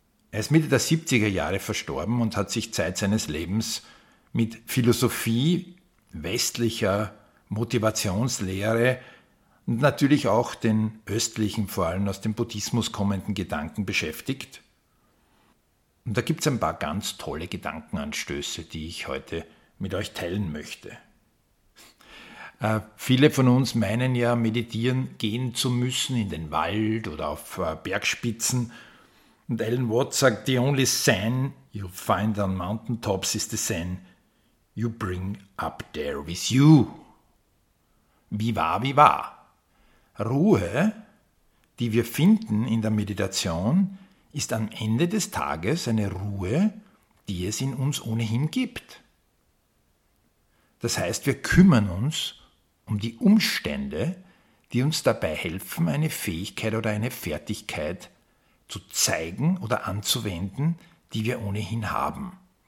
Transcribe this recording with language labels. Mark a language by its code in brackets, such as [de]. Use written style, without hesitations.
[de] Er ist Mitte der 70er Jahre verstorben und hat sich Zeit seines Lebens mit Philosophie westlicher Motivationslehre und natürlich auch den östlichen, vor allem aus dem Buddhismus kommenden Gedanken beschäftigt. Und da gibt es ein paar ganz tolle Gedankenanstöße, die ich heute mit euch teilen möchte. Viele von uns meinen ja, meditieren gehen zu müssen in den Wald oder auf Bergspitzen. Und Alan Watts sagt, [en] the only sand you find on mountaintops is the sand you bring up there with you. [de] Wie wahr. Ruhe, die wir finden in der Meditation, ist am Ende des Tages eine Ruhe, die es in uns ohnehin gibt. Das heißt, wir kümmern uns um die Umstände, die uns dabei helfen, eine Fähigkeit oder eine Fertigkeit zu zeigen oder anzuwenden, die wir ohnehin haben.